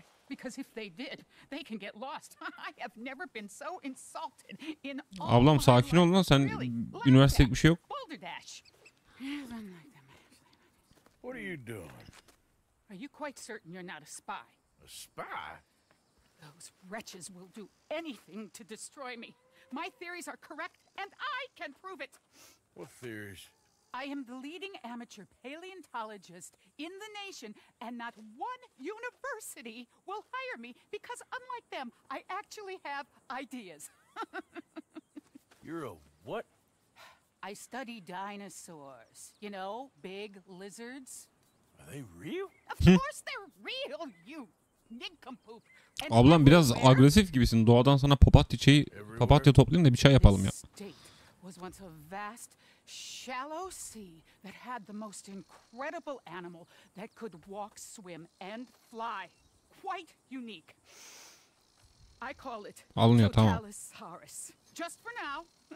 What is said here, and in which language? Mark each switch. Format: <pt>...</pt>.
<en>Because if they did, they can get lost. I have never been so insulted in all my life.</en> <tr>Ablam sakin ol lan, sen üniversitede bir şey yok.</tr> <en>What are you doing? Are you quite certain you're not a spy? A spy? Those wretches will do anything to destroy me. My theories are correct and I can prove it. What theories? I am the leading amateur paleontologist in the nation, and not one university will hire me because, unlike them, I actually have ideas. You're a what? I study dinosaurs. You know, big lizards. Are they real? Of course they're real, you nincompoop.</en> <tr>Ablam biraz agresif gibisin. Doğadan sana papatya toplayayım da bir çay yapalım ya.</tr> <en>This state was once a vast shallow sea that had the most incredible animal that could walk, swim, and fly. Quite unique. I call it Totalosaurus. Just for now.</en>